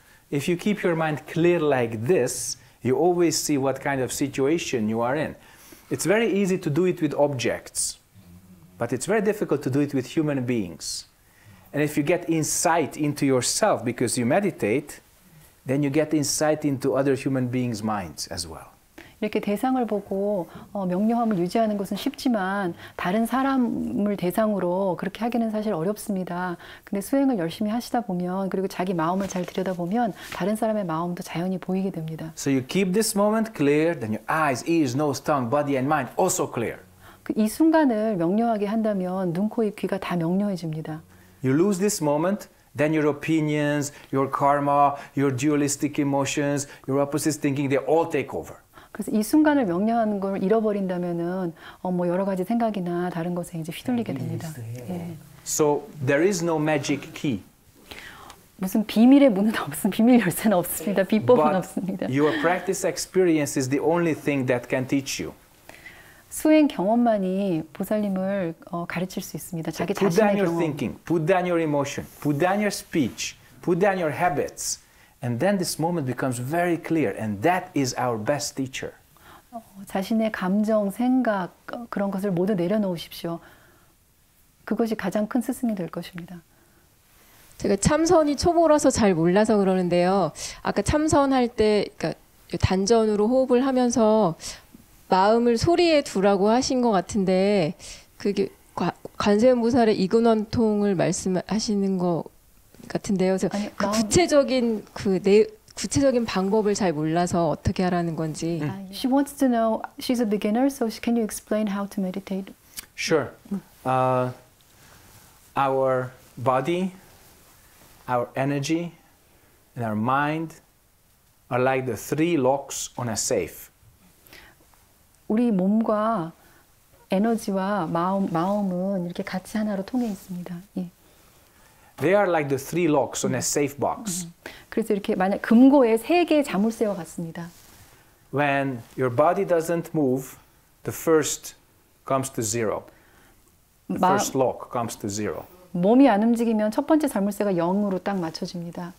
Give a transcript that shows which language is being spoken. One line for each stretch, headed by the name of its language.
English: If you keep your mind clear like this, you always see what kind of situation you are in. It's very easy to do it with objects, but it's very difficult to do it with human beings. And if you get insight into yourself because you meditate, then you get insight into other human beings' minds as well.
Korean: 이렇게 대상을 보고 명료함을 유지하는 것은 쉽지만 다른 사람을 대상으로 그렇게 하기는 사실 어렵습니다. 근데 수행을 열심히 하시다 보면 그리고 자기 마음을 잘 들여다보면 다른 사람의 마음도 자연히 보이게 됩니다.
English: So you keep this moment clear, then your eyes, ears, nose, tongue, body and mind also clear.
Korean: 이 순간을 명료하게 한다면 눈, 코, 입, 귀가 다 명료해집니다.
English: You lose this moment. Then your opinions, your karma, your dualistic emotions, your opposite thinking, they all take over.
Korean: 그래서 이 순간을 명료한 걸 잃어버린다면은 뭐 여러 가지 생각이나 다른 것에 이제 휘둘리게 됩니다. 예.
English: So there is no magic key.
Korean: 무슨 비밀의 문은 없습니다. 비밀 열쇠는 없습니다. 비법은 없습니다.
English: But your practice experience is the only thing that can teach you.
Korean: 수행 경험만이 보살님을 가르칠 수 있습니다. 자기 자신의 경험.
English: Put down your thinking. Put down your emotion. Put down your speech. Put down your habits. And then this moment becomes very clear, and that is our best teacher.
Korean: 자신의 감정, 생각 그런 것을 모두 내려놓으십시오. 그것이 가장 큰 스승이 될 것입니다. 제가 참선이 초보라서 잘 몰라서 그러는데요. 아까 참선할 때 단전으로 호흡을 하면서 마음을 소리에 두라고 하신 것 같은데 그게 관세음보살의 이근원통을 말씀하시는 거. 같은데요. 아니, 그 구체적인 구체적인 방법을 잘 몰라서 어떻게 하라는 건지.
English: She wants to know. She's a beginner, so can you explain how to meditate? Sure. Our body, our energy, and our mind are like the three locks on a safe.
Korean: 우리 몸과 에너지와 마음은 이렇게 같이 하나로 통해 있습니다. 예.
English: They are like the three locks on a safe box.
Korean: 그래서 이렇게 만약 금고에 세 개의 자물쇠와 같습니다.
English: When your body doesn't move, the first comes to zero. First lock comes to zero.
Korean: 몸이 안 움직이면 첫 번째 자물쇠가 0으로 딱 맞춰집니다.